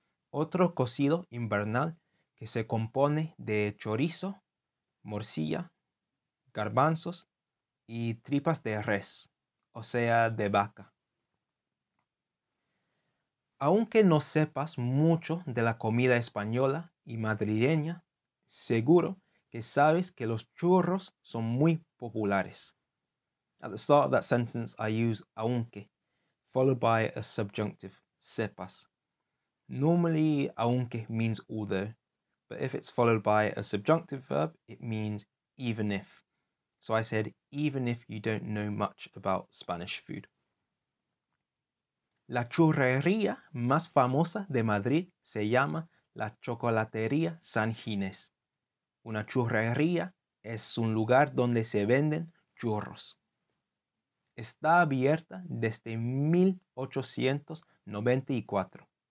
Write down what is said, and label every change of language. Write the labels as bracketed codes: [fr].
[es] Otro cocido invernal que se compone de chorizo, morcilla, garbanzos y tripas de res, o sea, de vaca. Aunque no sepas mucho de la comida española y madrileña, seguro que sabes que los churros son muy populares. [en] At the start of that sentence, I use aunque, followed by a subjunctive, sepas. Normally, aunque means although, but if it's followed by a subjunctive verb, it means even if. So I said, even if you don't know much about Spanish food. [es] La churrería más famosa de Madrid se llama la Chocolatería San Ginés. Una churrería es un lugar donde se venden churros. Está abierta desde 1894.